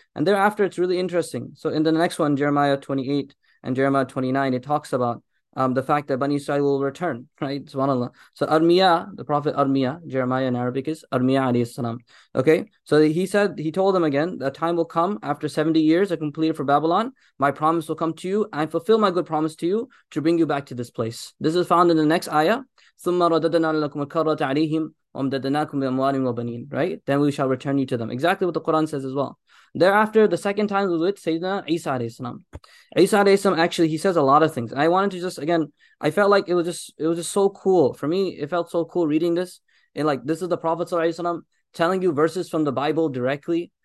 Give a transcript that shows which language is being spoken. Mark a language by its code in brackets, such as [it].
[en] And thereafter, it's really interesting. So in the next one, Jeremiah 28 and Jeremiah 29, it talks about the fact that Bani Israel will return, right? SubhanAllah. So Armiya, the Prophet Armiya, Jeremiah in Arabic is Armiya alayhi salam. Okay, so he said, he told them again, "A time will come after 70 years are completed for Babylon. My promise will come to you and fulfill my good promise to you to bring you back to this place." This is found in the next ayah. [ar] ثُمَّ رَدَدَنَا لَكُمُ الْكَرَّةَ عَلَيْهِمْ وَأَمْدَدْنَاكُمْ بِأَمْوَالٍ وَبَنِينَ, right? [en] Then we shall return you to them. Exactly what the Quran says as well. Thereafter, the second time was with Sayyidina Isa alayhi salam. Isa alayhi salam, actually, he says a lot of things. And I wanted to just, again, I felt like it was just so cool. For me, it felt so cool reading this. And like, this is the Prophet sallallahu alayhi wasallam telling you verses from the Bible directly.